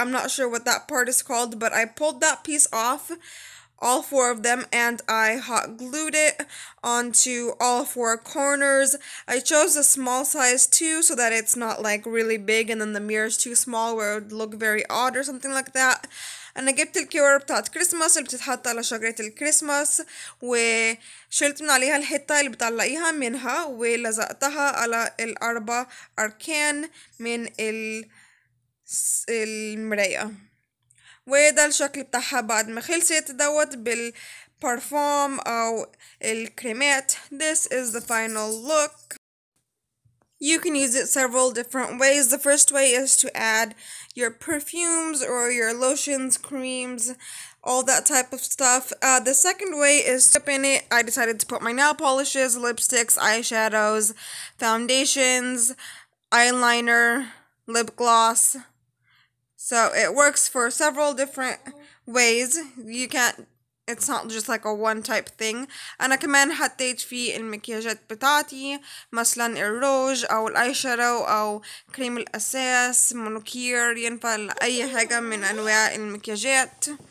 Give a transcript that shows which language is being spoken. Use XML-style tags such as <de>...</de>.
<en>I'm not sure what that part is called, but I pulled that piece off, all four of them, and I hot glued it onto all four corners. I chose a small size too so that it's not like really big and then the mirror is too small where it would look very odd or something like that.</en> <ar>أنا جبت الكور بتاعت كريسماس اللي بتتحط على شجرة الكريسماس وشلت من عليها الحتة اللي بتعلقيها منها ولزقتها على الأربع أركان من المراية وده الشكل بتاعها بعد ما خلصت دوت بالبارفوم أو الكريمات.</ar> <en>This is the final look. You can use it several different ways. The first way is to add your perfumes or your lotions, creams, all that type of stuff. The second way is to dip in it. I decided to put my nail polishes, lipsticks, eyeshadows, foundations, eyeliner, lip gloss. So it works for several different ways. You can't, it's not just like a one type thing.</en> <ar>أنا كمان حطيت في المكياجات بتاعتي مثلا الروج أو الأيشادو أو كريم الأساس مونوكير ينفع لأي حاجة من أنواع المكياجات.</ar>